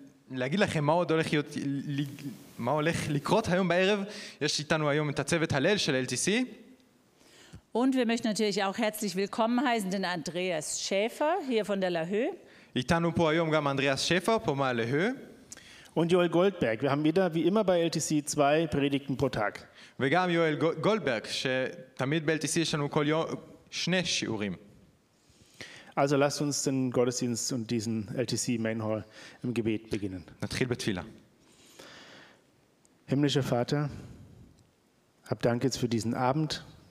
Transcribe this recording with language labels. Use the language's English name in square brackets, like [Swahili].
[Hebrew] להגיד לכם מה עוד הולך להיות, מה הולך לקרות היום בערב. יש איתנו היום את הצוות הלל של LTC. [German] Und wir möchten natürlich auch herzlich willkommen heißen den Andreas Schäfer hier von der LAHÖ. [Hebrew] איתנו פה היום גם אנדריאס שפר, פה מהלהו. [German] Und Joel Goldberg. Wir haben wieder, wie immer bei LTC, zwei Predigten pro Tag. [Hebrew] וגם Joel Goldberg, שתמיד ב-LTC יש לנו כל יום שני שיעורים. [German] Also lasst uns den Gottesdienst und diesen LTC Main Hall im Gebet beginnen. [Hebrew] נתחיל בתפילה. [German] Himmlischer Vater, hab Dank jetzt für diesen Abend.